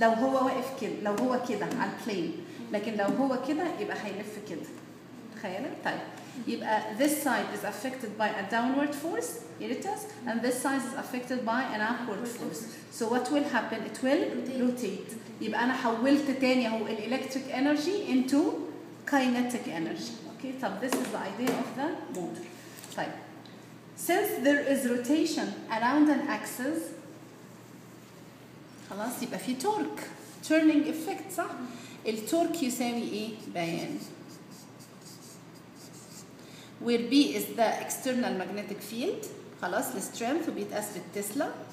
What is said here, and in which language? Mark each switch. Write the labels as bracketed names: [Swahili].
[Arabic] لو هو واقف كده, لو هو كده على البلين. لكن لو هو كده, يبقى هيلف كده. تخيلك؟ طيب. يبقى [English] this side is affected by a downward force. Here it is. And this side is affected by an upward force. So what will happen? It will rotate. [Arabic] يبقى انا حولت تاني اهو [English] الالكتريك energy into kinetic energy. Okay, طب this is the idea of the motor. طيب, since there is rotation around an axis, خلاص, يبقى في torque, turning effect, صح؟ [Arabic] التورك يساوي ايه؟ بيان, [English] where B is the external magnetic field, خلاص, strength, [Arabic] وبيتقاس بالتسلا.